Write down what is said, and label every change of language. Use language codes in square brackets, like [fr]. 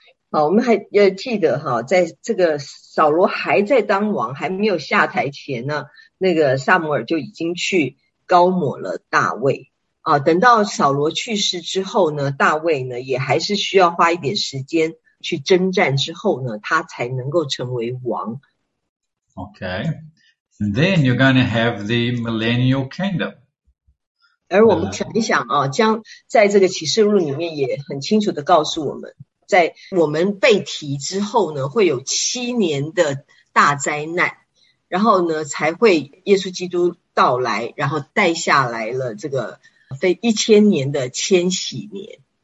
[zh] 好，我们还要记得哈，在这个扫罗还在当王还没有下台前呢，那个撒母耳就已经去高抹了大卫啊，等到扫罗去世之后呢，大卫呢也还是需要花一点时间去征战之后呢，他才能够成为王。 [en] Okay, and then you're going to have the millennial kingdom. [zh] 而我们想一想啊，将在这个启示录里面也很清楚的告诉我们，在我们被提之后呢，会有七年的大灾难，然后呢才会耶稣基督到来，然后带下来了这个非一千年的千禧年。